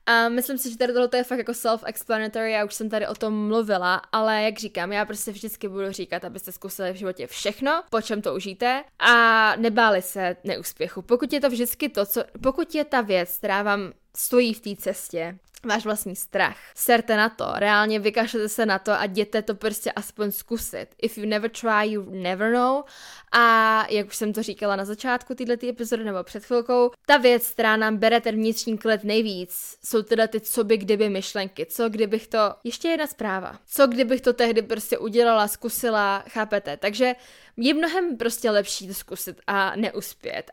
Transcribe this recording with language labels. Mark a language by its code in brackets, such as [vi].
[cs] A myslím si, že tady tohle je fakt jako self-explanatory, já už jsem tady o tom mluvila, ale jak říkám, já prostě vždycky budu říkat, abyste zkusili v životě všechno, po čem toužíte a nebáli se neúspěchu. Pokud je to vždycky to, co, pokud je ta věc, která vám stojí v té cestě, váš vlastní strach. Serte na to, reálně vykašlete se na to a jděte to prostě aspoň zkusit. [en] If you never try, you never know. [cs] A jak už jsem to říkala na začátku této epizody nebo před chvilkou, ta věc, která nám bere ten vnitřní klid nejvíc, jsou teda ty co by kdyby myšlenky. Co kdybych to, ještě jedna zpráva. Co kdybych to tehdy prostě udělala, zkusila, chápete? Takže je mnohem prostě lepší to zkusit a neuspět.